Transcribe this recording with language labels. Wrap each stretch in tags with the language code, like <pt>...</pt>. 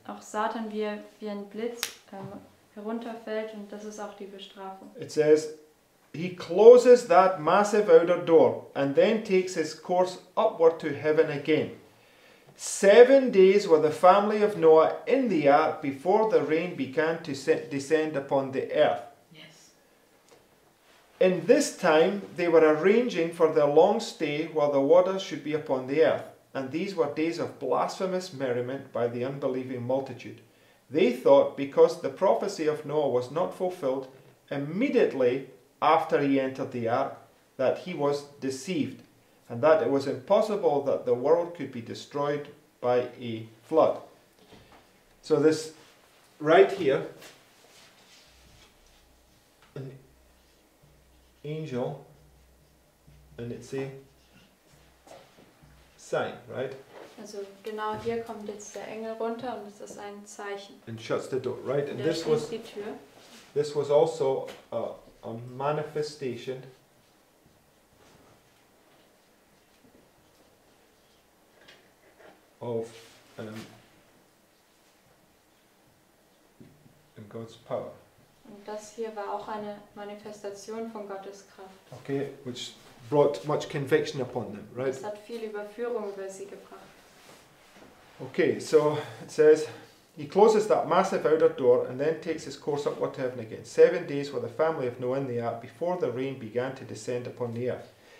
<de>Auch Satan wie ein Blitz herunterfällt und das ist auch die Bestrafung.</de> <en>It says, he closes that massive outer door and then takes his course upward to heaven again. 7 days were the family of Noah in the ark before the rain began to descend upon the earth. In this time, they were arranging for their long stay while the waters should be upon the earth. And these were days of blasphemous merriment by the unbelieving multitude. They thought, because the prophecy of Noah was not fulfilled immediately after he entered the ark, that he was deceived, and that it was impossible that the world could be destroyed by a flood. So this right here... angel, and it's a sign, right?</en> <de>Also genau hier kommt jetzt der Engel runter und es ist ein Zeichen.</de> <en>And shuts the door, right? And this was also a manifestation of in God's power.</en> <de>Und das hier war auch eine Manifestation von Gottes Kraft.</de> <en>Okay, which brought much conviction upon them, right?</en> <de>Das hat viel Überführung über sie gebracht.</de> <en>Okay, so it says, he closes that massive outer door and then takes his course upward to heaven again. 7 days were the family of Noah in the ark before the rain began to descend upon the earth.</en>